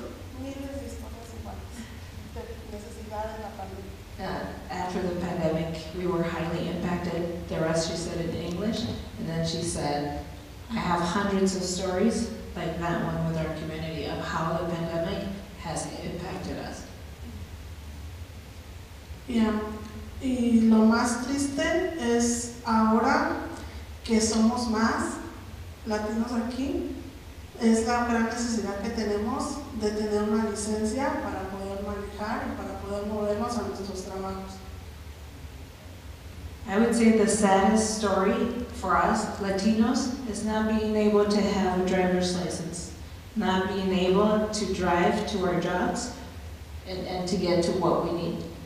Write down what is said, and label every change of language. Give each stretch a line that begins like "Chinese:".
Spanish: miles de estudiantes de necesidad en la pandemia.
English: After the pandemic, we were highly impacted. The rest she said in English, and then she said, "I have hundreds of stories like that one with our community of how the pandemic has impacted us." Yeah.
Spanish: Y lo más triste es ahora que somos más latinos aquí, es la gran necesidad que tenemos de tener una licencia para poder manejar y para poder movernos a nuestros trabajos.
English: I would say the saddest story for us Latinos is not being able to have a driver's license, not being able to drive to our jobs and to get to what we need.